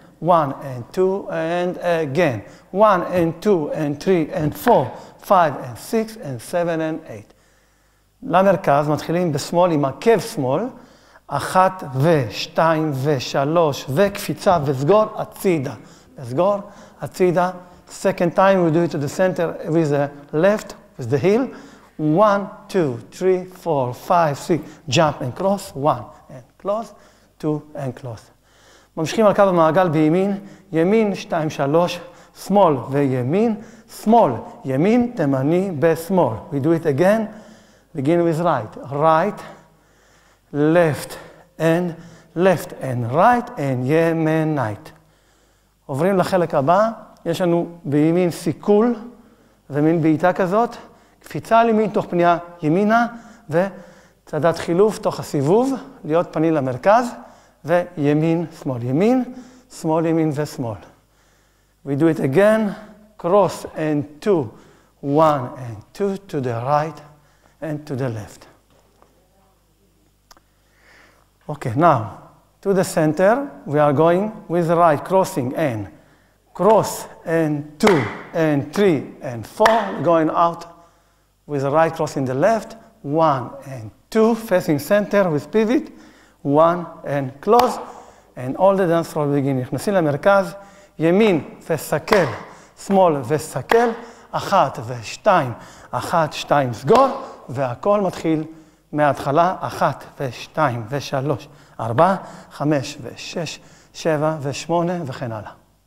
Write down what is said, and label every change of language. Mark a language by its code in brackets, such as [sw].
[en] One and two and again. One and two and three and four. Five and six and seven and eight. [he] למרכז מתחילים בשמאל עם עקב שמאל. אחת ושתיים ושלוש וקפיצה וסגור הצידה. סגור הצידה. [en] Second time we do it to the center with the left, with the heel. One, two, three, four, five, six. Jump and cross. One and close. Two and close. [he] ממשיכים על קו המעגל בימין, ימין, שתיים, שלוש, שמאל וימין, שמאל, ימין, תימני בשמאל. [en] We do it again, begin with right, right, left and right, and ימנית. [he] עוברים לחלק הבא, יש לנו בימין סיכול, זה מין בעיטה כזאת, קפיצה על ימין תוך פנייה ימינה, וצדת חילוף תוך הסיבוב, להיות פנים למרכז. וימין, שמאל, ימין, שמאל, ימין ושמאל. [en] We do it again, cross and two, one and two to the right and to the left. Okay, now, to the center, we are going with right, crossing and cross and two and three and four, going out with the right, crossing the left, one and two, facing center with pivot, one and close, and all the dance floor begin. [he] נכנסים למרכז, ימין וסכל, שמאל וסכל, אחת ושתיים, אחת, שתיים, סגור, והכל מתחיל מההתחלה, אחת ושתיים ושלוש, ארבע, חמש ושש, שבע ושמונה וכן הלאה.